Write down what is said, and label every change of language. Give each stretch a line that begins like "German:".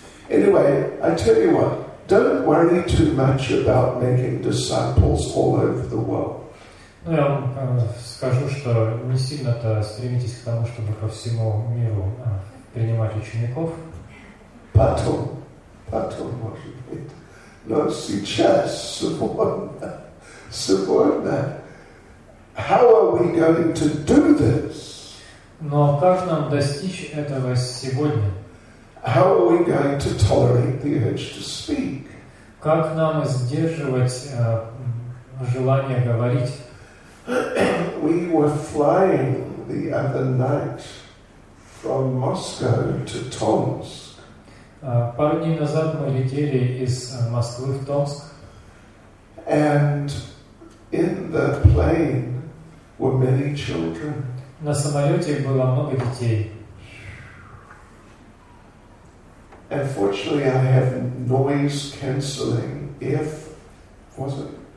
English: Anyway, I tell you what, don't worry too much about making disciples all over the world.
Russian: Ну, я вам скажу, что не сильно-то стремитесь к тому, чтобы ко всему миру принимать учеников. Потом, может быть. Но сейчас, сегодня,
English: how are we going to do this?
Russian: Но как нам достичь этого сегодня?
English: How are we going to tolerate the urge to speak?
Russian: Как нам сдерживать желание говорить?
English: We were flying the other night from Moscow to Tomsk.
Russian: Пару дней назад мы летели из Москвы в Томск.
English: And in the plane were many children.
Russian: На самолете было много детей.
English: Unfortunately, I have noise cancelling if was it?